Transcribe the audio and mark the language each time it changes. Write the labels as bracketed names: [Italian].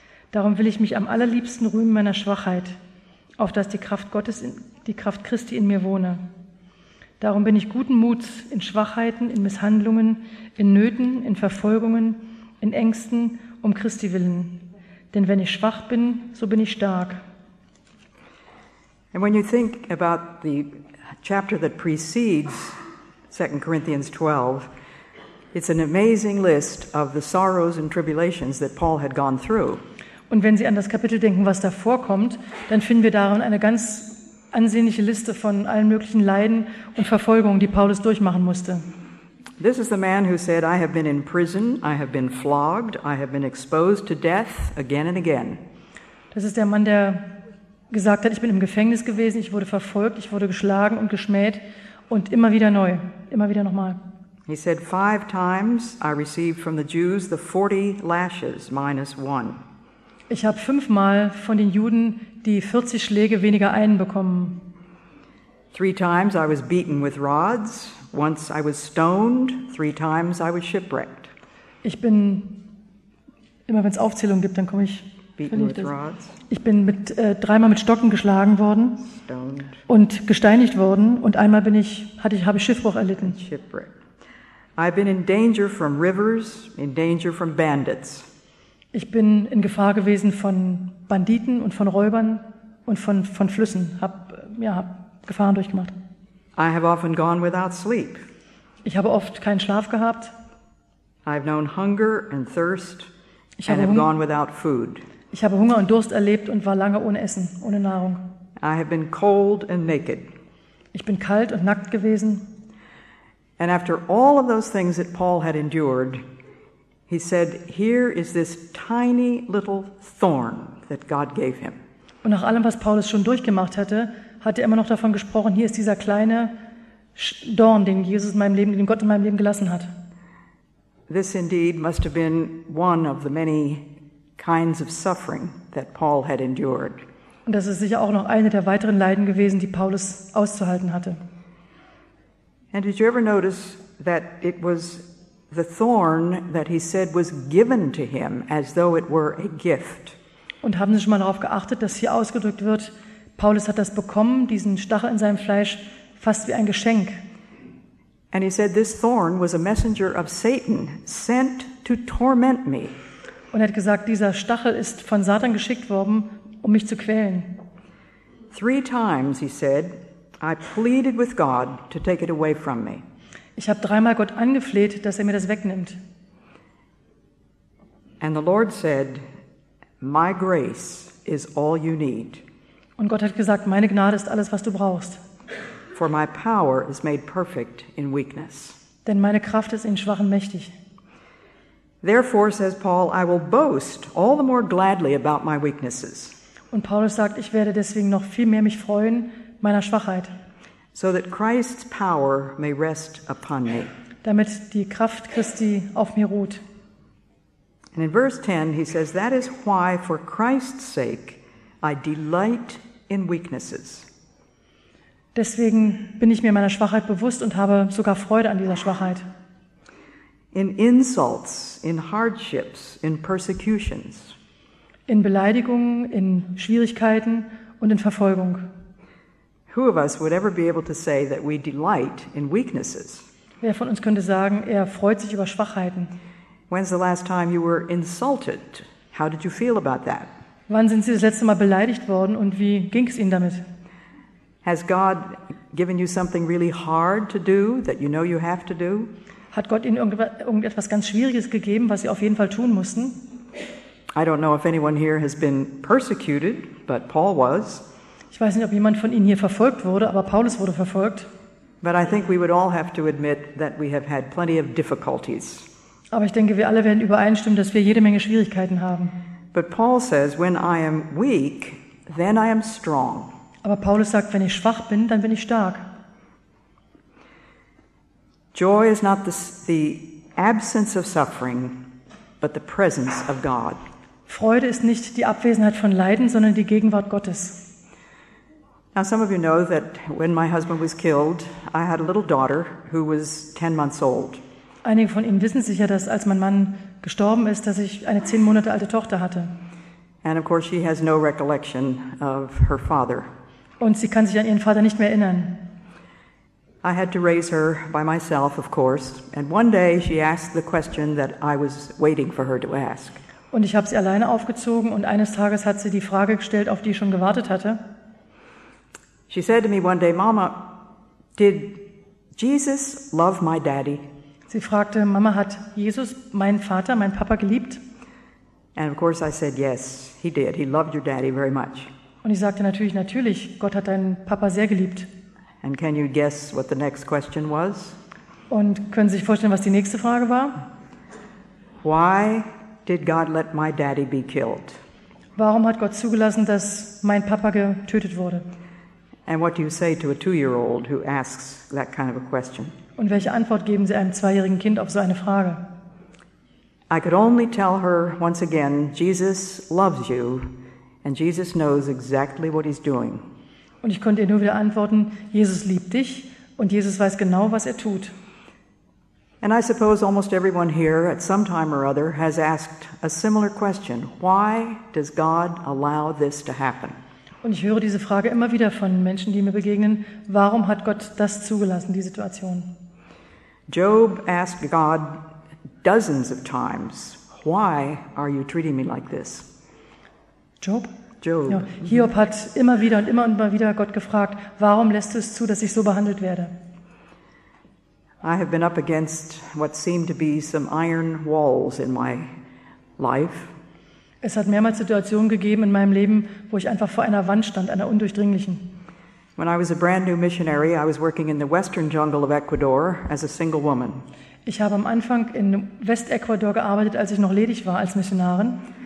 [German] Darum will ich mich am allerliebsten rühmen meiner Schwachheit, auf dass die Kraft Gottes, die Kraft Christi in mir wohne. Darum bin ich guten Muts in Schwachheiten, in Misshandlungen, in Nöten, in Verfolgungen, in Ängsten um Christi willen. Denn wenn ich schwach bin, so bin ich stark. [English] And when you think about the chapter that precedes 2 Corinthians 12, it's an amazing list of the sorrows and tribulations that Paul had gone through. [German] Und wenn Sie an das Kapitel denken, was da vorkommt, dann finden wir darin eine ganz ansehnliche Liste von allen möglichen Leiden und Verfolgungen, die Paulus durchmachen musste. [English] This is the man who said, I have been in prison, I have been flogged, I have been exposed to death again and again. [German] Das ist der Mann, der gesagt hat, ich bin im Gefängnis gewesen, ich wurde verfolgt, ich wurde geschlagen und geschmäht und immer wieder neu, immer wieder nochmal. [English] He said, 5 times I received from the Jews the 40 lashes minus 1. [German] Ich habe 5-mal von den Juden die 40 Schläge weniger einen bekommen. [English] 3 times I was beaten with rods, once I was stoned, 3 times I was shipwrecked. [German] Ich bin, immer wenn es Aufzählungen gibt, dann komme ich, [English] beaten with rods. [German] Ich bin mit 3-mal mit Stocken geschlagen worden, [English] stoned. [German] Und gesteinigt worden und einmal bin ich, hatte ich, habe ich Schiffbruch erlitten. [English] Shipwrecked. I've been in danger from rivers, in danger from bandits. [German] Ich bin in Gefahr gewesen von Banditen und von Räubern und von Flüssen, hab Gefahren durchgemacht. [English] I have often gone without sleep. [German] Ich habe oft keinen Schlaf gehabt. [English] I've known hunger and thirst. [German] Ich habe, [English] and have gone without food. [German] Ich habe Hunger und Durst erlebt und war lange ohne Essen, ohne Nahrung. [English] I have been cold and naked. [German] Ich bin kalt und nackt gewesen. [English] And after all of those things that Paul had endured, he said, here is this tiny little thorn that God gave him. [German] Und nach allem, was Paulus schon durchgemacht hatte, hat er immer noch davon gesprochen, hier ist dieser kleine Dorn, den Jesus in meinem Leben, den Gott in meinem Leben gelassen hat. [English] This indeed must have been one of the many kinds of suffering that Paul had endured. [German] Und das ist sicher auch noch eine der weiteren Leiden gewesen, die Paulus auszuhalten hatte. [English] And did you ever notice that it was the thorn that he said was given to him as though it were a gift? [German] Und haben Sie schon mal darauf geachtet, dass hier ausgedrückt wird, Paulus hat das bekommen, diesen Stachel in seinem Fleisch, fast wie ein Geschenk. [English] And he said, this thorn was a messenger of Satan sent to torment me. [German] Und er hat gesagt, dieser Stachel ist von Satan geschickt worden, um mich zu quälen. [English] 3 times, he said, I pleaded with God to take it away from me. [German] Ich habe 3-mal Gott angefleht, dass er mir das wegnimmt. [English] And the Lord said, "My grace is all you need." [German] Und Gott hat gesagt, meine Gnade ist alles, was du brauchst. [English] For my power is made perfect in weakness. [German] Denn meine Kraft ist in Schwachen mächtig. [English] Therefore, says Paul, I will boast all the more gladly about my weaknesses. [German] Und Paulus sagt, ich werde deswegen noch viel mehr mich freuen meiner Schwachheit. [English] So that Christ's power may rest upon me. [German] Damit die Kraft Christi auf mir ruht. [English] And in verse 10 he says, that is why for Christ's sake I delight in weaknesses. [German] Deswegen bin ich mir meiner Schwachheit bewusst und habe sogar Freude an dieser Schwachheit. [English] In insults, in hardships, in persecutions. [German] In Beleidigungen, in Schwierigkeiten und in Verfolgung. [English] Who of us would ever be able to say that we delight in weaknesses? [German] Wer von uns könnte sagen, er freut sich über Schwachheiten? [English] When's the last time you were insulted? How did you feel about that? [German] Wann sind Sie das letzte Mal beleidigt worden und wie ging es Ihnen damit? [English] Has God given you something really hard to do that you know you have to do? [German] Hat Gott Ihnen irgendetwas ganz Schwieriges gegeben, was Sie auf jeden Fall tun mussten? [English] I don't know if anyone here has been persecuted, but Paul was. [German] Ich weiß nicht, ob jemand von Ihnen hier verfolgt wurde, aber Paulus wurde verfolgt. [English] But I think we would all have to admit that we have had plenty of difficulties. [German] Aber ich denke, wir alle werden übereinstimmen, dass wir jede Menge Schwierigkeiten haben. [English] But Paul says, when I am weak, then I am strong. [German] Aber Paulus sagt, wenn ich schwach bin, dann bin ich stark. [English] Joy is not the absence of suffering, but the presence of God. [German] Freude ist nicht die Abwesenheit von Leiden, sondern die Gegenwart Gottes. [English] Now some of you know that when my husband was killed, I had a little daughter who was 10 months old. [German] Einige von Ihnen wissen sicher, dass als mein Mann gestorben ist, dass ich eine 10 Monate alte Tochter hatte. [English] And of course she has no recollection of her father. [German] Und sie kann sich an ihren Vater nicht mehr erinnern. [English] I had to raise her by myself, of course, and one day she asked the question that I was waiting for her to ask. [German] Und ich habe sie alleine aufgezogen und eines Tages hat sie die Frage gestellt, auf die ich schon gewartet hatte. [English] She said to me one day, "Mama, did Jesus love my daddy?" [German] Sie fragte, Mama, hat Jesus meinen Vater, meinen Papa geliebt? [English] And of course I said, "Yes, he did. He loved your daddy very much." [German] Und ich sagte natürlich, natürlich, Gott hat deinen Papa sehr geliebt. [English] And can you guess what the next question was? [German] Und können Sie sich vorstellen, was die nächste Frage war? [English] Why did God let my daddy be killed? [German] Warum hat Gott zugelassen, dass mein Papa getötet wurde? [English] And what do you say to a 2-year-old who asks that kind of a question? [German] Und welche Antwort geben Sie einem 2-jährigen Kind auf so eine Frage? [English] I could only tell her once again, Jesus loves you and Jesus knows exactly what he's doing. [German] Und ich konnte ihr nur wieder antworten, Jesus liebt dich und Jesus weiß genau, was er tut. [English] And I suppose almost everyone here at some time or other has asked a similar question. Why does God allow this to happen? [German] Und ich höre diese Frage immer wieder von Menschen, die mir begegnen. Warum hat Gott das zugelassen, die Situation? [English] Job asked God dozens of times, "Why are you treating me like this?" Job? [German] Job. Ja. Hiob hat immer wieder und immer und immer wieder Gott gefragt, warum lässt du es zu, dass ich so behandelt werde? [English] I have been up against what seemed to be some iron walls in my life. [German] Es hat mehrmals Situationen gegeben in meinem Leben, wo ich einfach vor einer Wand stand, einer undurchdringlichen. [English] When I was a brand new missionary, I was working in the western jungle of Ecuador as a single woman. [German] Ich habe am Anfang in West-Ecuador gearbeitet, als ich noch ledig war als Missionarin.